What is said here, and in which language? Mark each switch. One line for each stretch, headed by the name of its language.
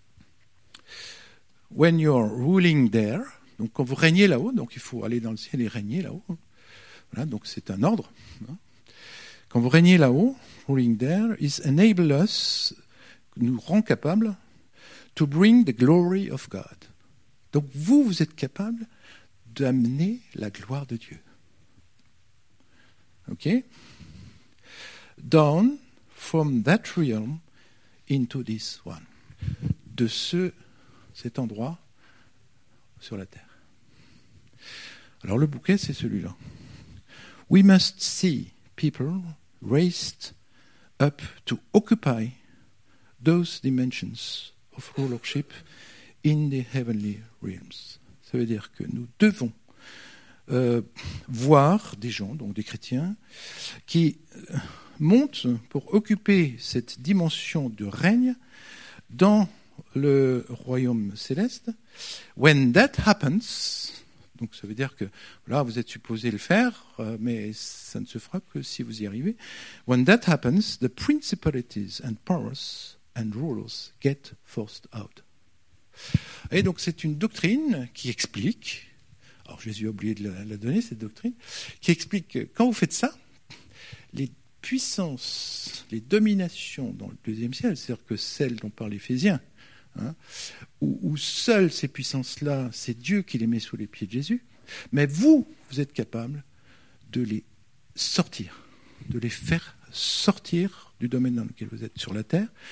English: « When you're ruling there
French: » Donc quand vous régnez là-haut, donc il faut aller dans le ciel et régner là-haut. Voilà, donc c'est un ordre. Quand vous régnez là-haut,
English: ruling there, is enable us,
French: nous rend capable,
English: to bring the glory of God.
French: Donc vous êtes capable d'amener la gloire de Dieu. Ok?
English: Down from that realm into this one.
French: De cet endroit sur la terre. Alors le bouquet, c'est celui-là.
English: We must see people raised up to occupy those dimensions of rulership in the heavenly realms.
French: Ça veut dire que nous devons voir des gens, donc des chrétiens, qui montent pour occuper cette dimension de règne dans le royaume céleste.
English: When that happens...
French: Donc ça veut dire que là, vous êtes supposé le faire, mais ça ne se fera que si vous y arrivez.
English: When that happens, the principalities and powers and rulers get forced out.
French: Et donc c'est une doctrine qui explique, alors Jésus a oublié de la donner, cette doctrine, qui explique que quand vous faites ça, les puissances, les dominations dans le deuxième ciel, c'est-à-dire que celles dont parle Éphésiens, hein, où seules ces puissances-là, c'est Dieu qui les met sous les pieds de Jésus, mais vous êtes capable de les sortir, de les faire sortir du domaine dans lequel vous êtes sur la terre.